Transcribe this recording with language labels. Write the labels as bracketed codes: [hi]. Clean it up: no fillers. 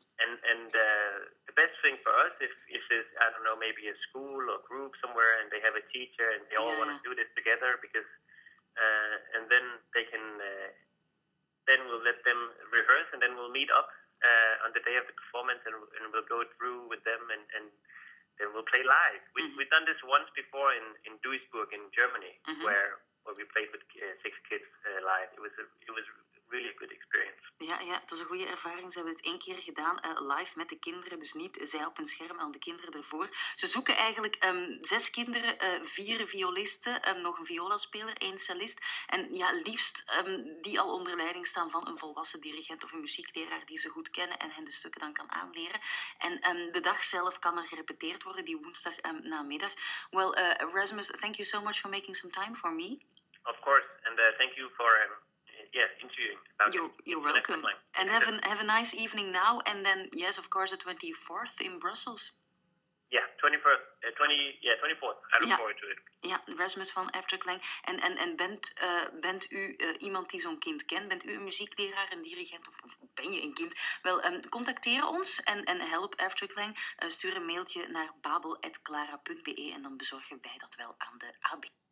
[en] And the best thing for us is I don't know, maybe a school or group somewhere, and they have a teacher and they all want to do this together, because and then they can then we'll let them rehearse and then we'll meet up on the day of the performance and we'll go through with them and then we'll play live. We've done this once before in Duisburg in Germany, mm-hmm. where we played with 6 kids live. It was really a good experience. [nl] Ja, het was een goede ervaring. Ze hebben het 1 keer gedaan, live met de kinderen. Dus niet zij op een scherm, maar de kinderen ervoor. Ze zoeken eigenlijk 6 kinderen, 4 violisten, nog een violaspeler, 1 cellist. En ja, liefst die al onder leiding staan van een volwassen dirigent of een muziekleraar die ze goed kennen en hen de stukken dan kan aanleren. En de dag zelf kan er gerepeteerd worden, die woensdag namiddag. [en] Well, Rasmus, thank you so much for making some time for me. Of course, and thank you for interviewing. You're welcome. And have a nice evening now, and then, yes, of course, the 24th in Brussels. Yeah, 24th. I look forward to it. [nl] Ja, Rasmus van Evergreen. En bent u iemand die zo'n kind kent? Bent u een muziekleraar, een dirigent of ben je een kind? Wel, contacteer ons en help Evergreen. Stuur een mailtje naar babel@clara.be en dan bezorgen wij dat wel aan de AB.